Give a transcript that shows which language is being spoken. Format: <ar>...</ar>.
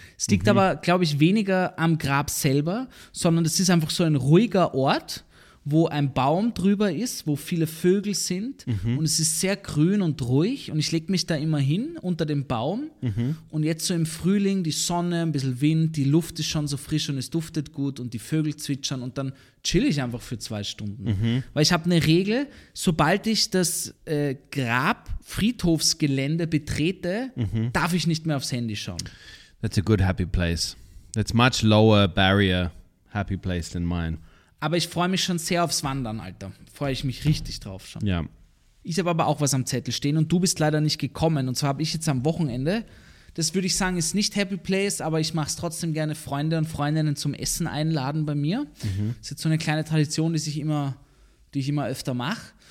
<de>Es liegt aber, glaube ich, weniger am Grab selber, sondern es ist einfach so ein ruhiger Ort, wo ein Baum drüber ist, wo viele Vögel sind und es ist sehr grün und ruhig und ich lege mich da immer hin unter dem Baum und jetzt so im Frühling die Sonne, ein bisschen Wind, die Luft ist schon so frisch und es duftet gut und die Vögel zwitschern und dann chill ich einfach für 2 Stunden. Mhm. Weil ich habe eine Regel, sobald ich das Grab-Friedhofsgelände betrete, darf ich nicht mehr aufs Handy schauen.</de> <en>That's a good happy place. That's much lower barrier happy place than mine.</en> <de>Aber ich freue mich schon sehr aufs Wandern, Alter. Freue ich mich richtig drauf schon. Ja. Ich habe aber auch was am Zettel stehen und du bist leider nicht gekommen. Und zwar habe ich jetzt am Wochenende, das würde ich sagen, ist nicht Happy Place, aber ich mache es trotzdem gerne, Freunde und Freundinnen zum Essen einladen bei mir. Mhm. Das ist jetzt so eine kleine Tradition, die ich immer öfter mache.</de>